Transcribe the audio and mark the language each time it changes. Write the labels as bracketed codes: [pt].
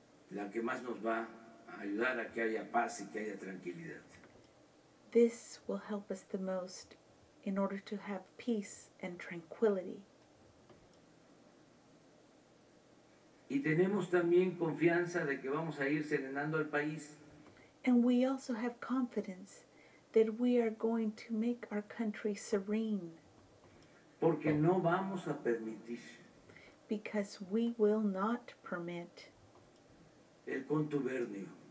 [es] La que más nos va a ayudar a que haya paz y que haya tranquilidad. [en] This will help us the most in order to have peace and tranquility. [es] Y tenemos también confianza de que vamos a ir serenando al país. [en] And we also have confidence that we are going to make our country serene. [es] Porque no vamos a permitir. [en] Because we will not permit. [es] El contubernio.